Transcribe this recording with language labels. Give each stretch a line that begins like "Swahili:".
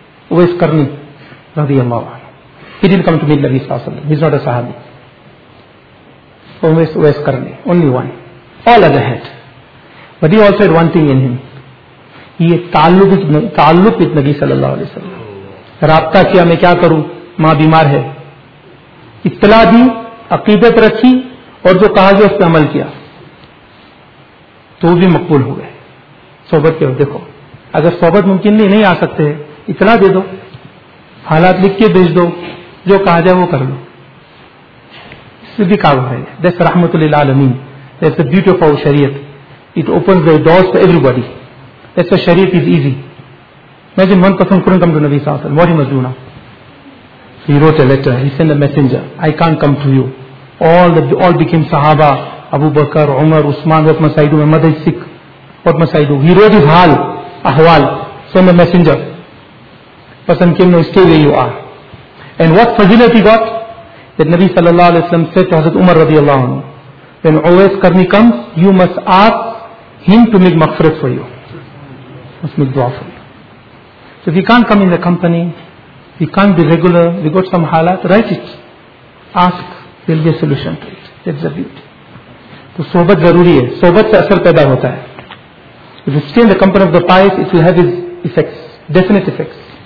English: Uwais Qarni, radiyallahu anhu. He didn't come to meet Nabi Sallallahu Alaihi Wasallam. He's not a sahabi. Uwais Qarni, only one. All other had. But he also had one thing in him. He had taalluq with Nabi Sallallahu Alaihi Wasallam.
Urdu: Raabta kiya, main kya karu? Maa bimar hai. اطلاع دی, عقیدت رکھی, اور جو کہا گیا اس پہ عمل کیا تو بھی مقبول ہو گئے. صحبت کے دیکھو, اگر صحبت ممکن نہیں آ سکتے, اطلاع دے دو, حالات لکھ کے بھیج دو, جو کہا جائے وہ کر لو, اس سے بھی کام ہے.
English: This Rahmat lil-Alamin, this beauty of our Shariat, it open the doors for everybody. This Shariat is easy.
Urdu: میں جو من پسند کروں
English: Come to نبی صلی اللہ علیہ وسلم, واٹ از ڈونا. He wrote a letter, he sent a messenger, I can't come to you. All became Sahaba, Abu Bakr, Umar, Usman, what must I do? My mother is sick, what must I do? He wrote his hal, ahwal, send a messenger. Person came, no, stay where you are. And what fazilat he got? That Nabi sallallahu alayhi wa sallam said to Hazrat Umar radiallahu anhu, when Uwais Qarni comes, you must ask him to make maghfirat for you. Must make dua for you. So if you can't come in the company, we can't be regular, we got some halat, write it. Ask, there'll be a solution to it. That's the beauty.
Urdu: تو صحبت ضروری ہے, صحبت سے اثر پیدا ہوتا ہے.
English: If you stay in the company of the pious, it will have its effects, definite effects.